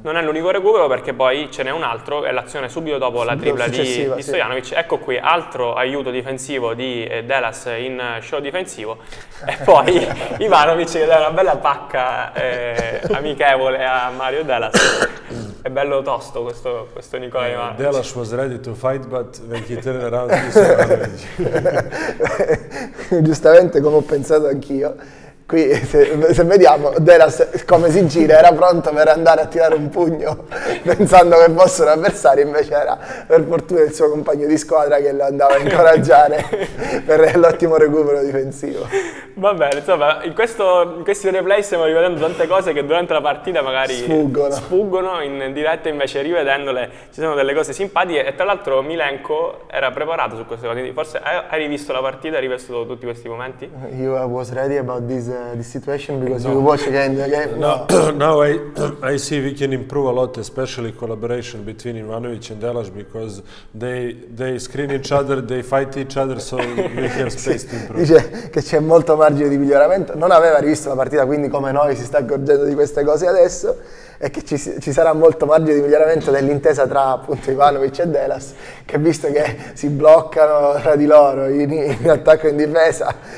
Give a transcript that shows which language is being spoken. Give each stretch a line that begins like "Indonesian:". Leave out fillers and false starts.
Italian: Non è l'unico recupero, perché poi ce n'è un altro, è l'azione subito dopo la tripla di Stojanovic. Sì. Ecco qui, altro aiuto difensivo di Delas in show difensivo. E poi Ivanovic che dà una bella pacca amichevole a Mario Delas. È bello tosto questo Nicola Ivanovic.
English: Delas was ready to fight, but when he turned around, he saw Ivanovic.
Italian: Giustamente, come ho pensato anch'io, qui se vediamo Delas come si gira, era pronto per andare a tirare un pugno pensando che fosse un avversario, invece era per fortuna il suo compagno di squadra che lo andava a incoraggiare per l'ottimo recupero difensivo. Va bene, insomma, in questi replay stiamo rivedendo tante cose che durante la partita magari sfuggono, in diretta invece rivedendole ci sono delle cose simpatiche, e tra l'altro Milenko era preparato su queste cose, quindi forse hai rivisto la partita, hai rivisto tutti questi momenti?
English: Io was ready about this situation because you watch again the game. No. Now I see we can improve a lot, especially collaboration between Ivanovic and Delas, because they screen each other, they fight each other, so we have space to improve.
Italian: Dice che c'è molto margine di miglioramento, non aveva rivisto la partita, quindi come noi si sta accorgendo di queste cose adesso, e che ci sarà molto margine di miglioramento dell'intesa tra appunto Ivanovic e Delas, che visto che si bloccano tra di loro in attacco e in difesa,